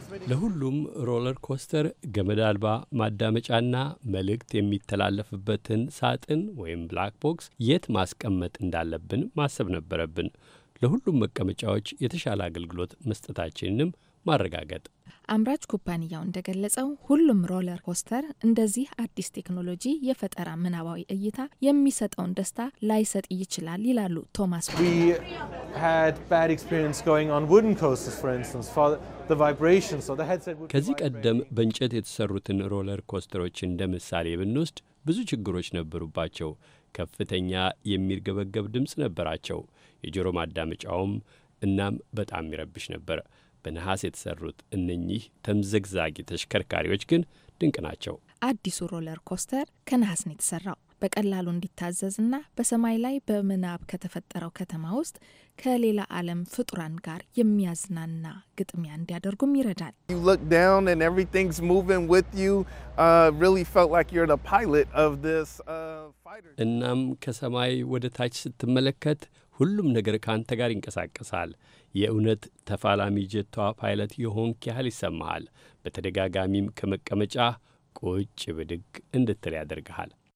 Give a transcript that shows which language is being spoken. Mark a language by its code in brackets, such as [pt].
[am] ለሁሉም ሮለር ኮስተር ገመድ አልባ ማዳመጫና መልእክት የሚተላለፍበትን ሳጥን ወይም ብላክ ቦክስ የት ማስቀመጥ እንዳለብን ማሰብ ነበረብን። ለሁሉም መቀመጫዎች የተሻለ አገልግሎት መስጠታችንንም ማረጋገጥ። አምራች ኩባንያው እንደገለጸው ሁሉም ሮለር ኮስተር እንደዚህ አዲስ ቴክኖሎጂ የፈጠራ ምናባዊ እይታ የሚሰጠውን ደስታ ላይሰጥ ይችላል ይላሉ ቶማስ። [en] We had bad experience going on wooden coasters for instance for the vibration so the headset would [am] ከዚህ ቀደም በእንጨት የተሰሩትን ሮለር ኮስተሮች እንደምሳሌ ብንወስድ ብዙ ችግሮች ነበሩባቸው። ከፍተኛ የሚርገበገብ ድምጽ ነበራቸው። የጆሮ ማዳመጫውም እናም በጣም ይረብሽ ነበር። በነሐስ የተሰሩት እነኚህ ተምዘግዛጊ ተሽከርካሪዎች ግን ድንቅ ናቸው። አዲሱ ሮለር ኮስተር ከነሐስ ነው የተሰራው። በቀላሉ እንዲታዘዝና በሰማይ ላይ በምናብ ከተፈጠረው ከተማ ውስጥ ከሌላ ዓለም ፍጡራን ጋር የሚያዝናና ግጥሚያ እንዲያደርጉም ይረዳል። [en] You look down and everything's moving with you. Really felt like you're the pilot of this fighter. [am] እናም ከሰማይ ወደ ታች ስትመለከት ሁሉም ነገር ካንተ ጋር ይንቀሳቀሳል። የእውነት ተፋላሚ ጀቷ ፓይለት የሆንክ ያህል ይሰማሃል። በተደጋጋሚም ከመቀመጫ ቁጭ ብድግ እንድትል ያደርግሃል።